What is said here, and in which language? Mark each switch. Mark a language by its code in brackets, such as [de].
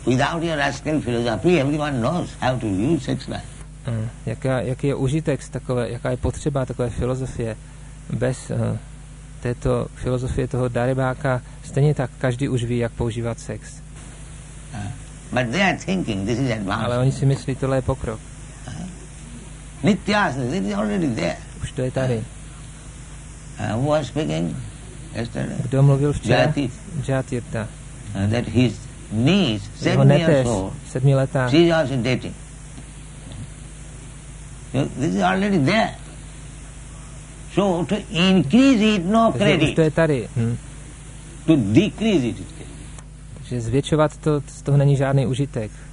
[en] Without your rascal philosophy, everyone knows how to use sex life. [cs] Jaký je užitek z takové, jaká je potřeba takové filozofie? Bez této filozofie toho darebáka, stejně tak každý už ví, jak používat sex. [en] But they are thinking, this is advanced. [cs] Ale oni si myslí, tohle je pokrok. [en] Nityas, it is already there. [cs] Už to je tady. [en] Who was speaking? Yesterday. [cs] Kdo mluvil včera? [en] Jatirta. That his niece, 7 years old, [cs] 7 letá. [en] She is also dating. This is already there. So to increase it, no credit. [cs] To je tady. [en] To decrease it. [cs] Takže zvětšovat to, z toho není žádný užitek.